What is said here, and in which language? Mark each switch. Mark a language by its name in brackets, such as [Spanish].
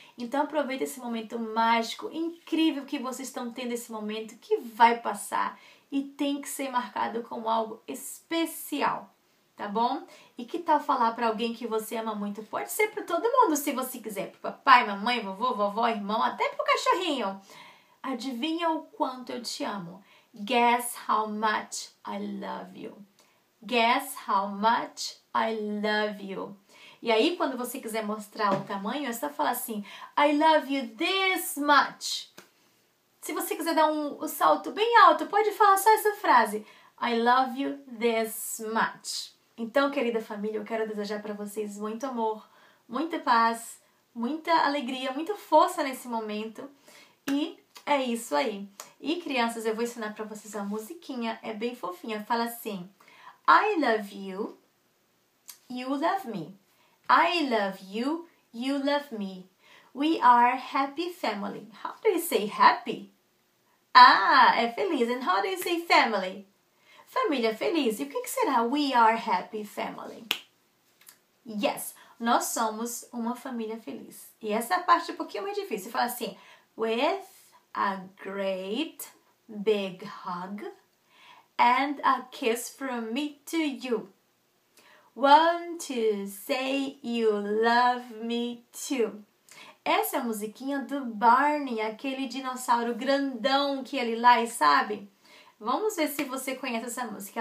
[Portuguese] Então, aproveita esse momento mágico, incrível que vocês estão tendo esse momento, que vai passar e tem que ser marcado como algo especial, tá bom? E que tal falar para alguém que você ama muito? Pode ser para todo mundo, se você quiser. Para papai, mamãe, vovô, vovó, irmão, até para o cachorrinho. Adivinha o quanto eu te amo? [English] Guess how much I love you. Guess how much I love you. [Portuguese] E aí, quando você quiser mostrar o tamanho, é só falar assim, [English] I love you this much. [Portuguese] Se você quiser dar um salto bem alto, pode falar só essa frase. [English] I love you this much. [Portuguese] Então, querida família, eu quero desejar para vocês muito amor, muita paz, muita alegria, muita força nesse momento. E é isso aí. E, crianças, eu vou ensinar para vocês uma musiquinha. É bem fofinha. Fala assim. [English] I love you, you love me. I love you, you love me. We are happy family. How do you say happy? [Portuguese] Ah, é feliz. [English] And how do you say family? [Portuguese] Família feliz. E o que será [English] we are happy family? [Portuguese] Yes, nós somos uma família feliz. E essa parte é um pouquinho mais difícil. Fala assim, [English] with a great big hug and a kiss from me to you. Want to say you love me too. [Portuguese] Essa é a musiquinha do Barney, aquele dinossauro grandão que ele lá e sabe? Vamos ver se você conhece essa música.